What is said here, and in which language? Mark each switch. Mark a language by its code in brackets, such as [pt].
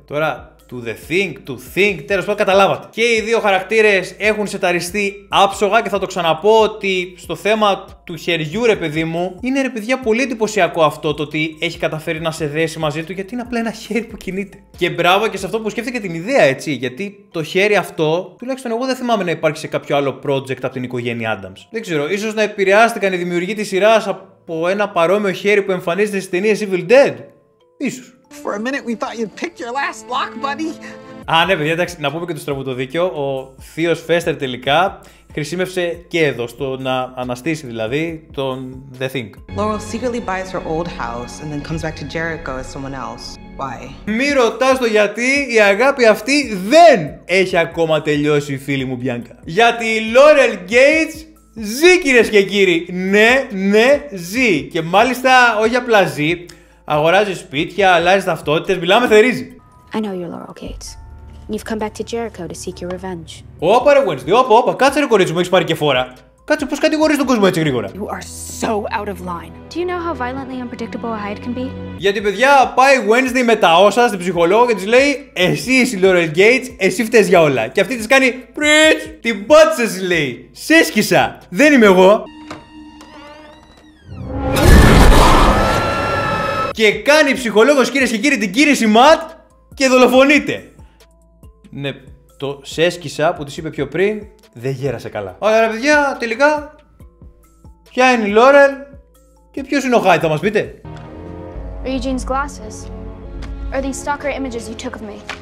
[el] Τώρα, του The Thing, του Thing, τέλος πάντων καταλάβατε. Και οι δύο χαρακτήρες έχουν σεταριστεί άψογα και θα το ξαναπώ ότι στο θέμα του χεριού, ρε παιδί μου, είναι ρε παιδιά πολύ εντυπωσιακό αυτό το ότι έχει καταφέρει να σε δέσει μαζί του γιατί είναι απλά ένα χέρι που κινείται. Και μπράβο και σε αυτό που σκέφτηκε την ιδέα, έτσι. Γιατί το χέρι αυτό, τουλάχιστον εγώ δεν θυμάμαι να υπάρχει σε κάποιο άλλο project από την οικογένεια Adams. Δεν ξέρω, ίσως να επηρεάστηκαν οι δημιουργοί της σειράς από ένα παρόμοιο χέρι που εμφανίζεται στις ταινίες Evil Dead. Ίσως. [en] For a minute we thought you'd picked your last lock, buddy. [el] Α, ναι, παιδιά, εντάξει, να πούμε και το στραβού το δίκιο. Ο θείος Fester τελικά χρησιμεύσε και εδώ, στο να αναστήσει δηλαδή τον The Thing. [en] Laurel secretly buys her old house and then comes back to Jericho as someone else. Why? [el] Μη ρωτάς το γιατί, η αγάπη αυτή δεν έχει ακόμα τελειώσει, φίλη μου Bianca. Γιατί η Laurel Gates ζει, κυρίες και κύριοι. Ναι, ναι, ζει. Και μάλιστα όχι απλά ζει. Αγοράζει σπίτια, αλλάζει ταυτότητες, μιλάμε θερίζει. [en] I know you're Laurel Gates. You've come back to Jericho to seek your revenge. [el] Όπα ρε Wednesday, όπα, κάτσε ρε κορίτσι μου, έχεις πάρει και φορά. Κάτσε, πώς κατηγορείς τον κόσμο έτσι γρήγορα? [en] You are so out of line. Do you know how violently unpredictable a Hyde can be? [el] Γιατί, παιδιά, πάει Wednesday με τα όσα στην ψυχολόγο και της λέει: εσύ είσαι η Laurel Gates, εσύ φταίς για όλα. Και αυτή της κάνει: Preach! Την πάτησε, λέει. Σέσκισα! Δεν είμαι εγώ. Και κάνει ψυχολόγος, κυρίες και κύριοι, την κίνηση Ματ και δολοφονείται. Ναι, το σέσκισα που της είπε πιο πριν δεν γέρασε καλά. Ωραία, παιδιά, τελικά, ποια είναι η Laurel και ποιος είναι ο Hyde, θα μας πείτε? [en] Are Eugene's glasses? Are these stalker images you took of me?